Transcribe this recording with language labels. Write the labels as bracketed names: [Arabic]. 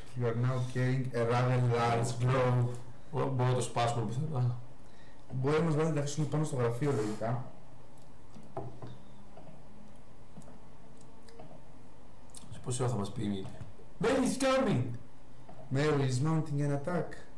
[English] You are now carrying a rather large glove. [Greek] Μπορώ να το σπάσουμε πιθανά. Μπορεί να μας βάλει να τα αφήσουμε πάνω στο γραφείο λογικά. Σε πόση ώρα θα μας πει η Μίλη. [English] Mary is coming! Mary is mounting an attack.